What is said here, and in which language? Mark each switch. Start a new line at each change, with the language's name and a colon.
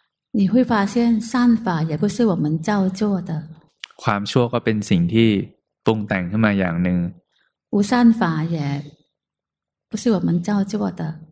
Chinese: 你会发现善法也不是我们造作的
Thai: ความชั่วก็เป็นสิ่งที่ปรุงแต่งขึ้นมาอย่างหนึ่ง
Chinese: 无善法也不是我们造作的